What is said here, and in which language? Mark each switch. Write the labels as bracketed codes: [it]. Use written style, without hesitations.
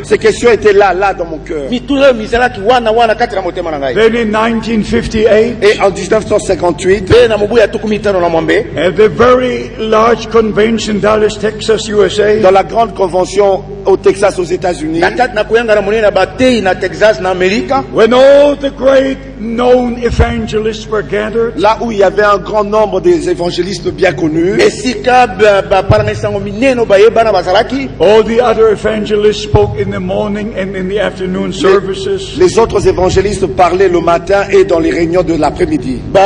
[fr] Ces questions étaient là, là dans mon cœur. [en] Then in 1958, [fr] et en 1958, [en] at the very large convention, Dallas, Texas, USA. [fr] Dans la grande convention au Texas, aux États-Unis. [en] When all the great known evangelists were gathered. [fr] Là où il y avait un grand nombre des évangélistes bien connus. [en] All the other evangelists spoke in the morning and in the afternoon services. [fr] Les autres évangélistes parlaient le matin et dans les réunions de l'après-midi.